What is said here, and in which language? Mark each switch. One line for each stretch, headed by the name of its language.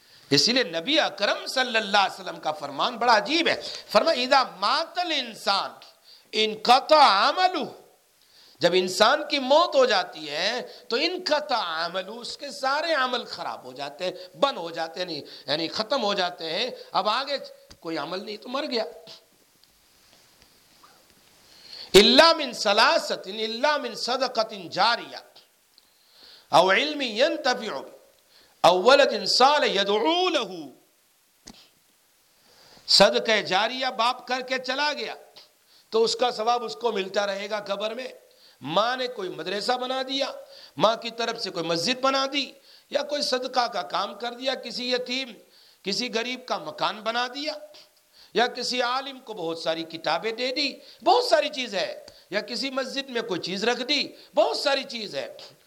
Urdu: اسی لیے نبی اکرم صلی اللہ علیہ وسلم کا فرمان بڑا عجیب ہے، فرمایا اذا مات الانسان انقطع عمله، جب انسان کی موت ہو جاتی ہے تو انقطع عمل، اس کے سارے عمل خراب ہو جاتے ہیں، بند ہو جاتے ہیں، یعنی ختم ہو جاتے ہیں، اب آگے کوئی عمل نہیں تو مر گیا.
Arabic: الا من ثلاثۃ، الا من صدقۃ جاریہ او علم ينتفع او ولد صالح يدعو له.
Urdu: صدقہ جاریہ باپ کر کے چلا گیا تو اس کا ثواب اس کو ملتا رہے گا قبر میں. ماں نے کوئی مدرسہ بنا دیا، ماں کی طرف سے کوئی مسجد بنا دی، یا کوئی صدقہ کا کام کر دیا، کسی یتیم، کسی غریب کا مکان بنا دیا، یا کسی عالم کو بہت ساری کتابیں دے دی، بہت ساری چیز ہے، یا کسی مسجد میں کوئی چیز رکھ دی، بہت ساری چیز ہے.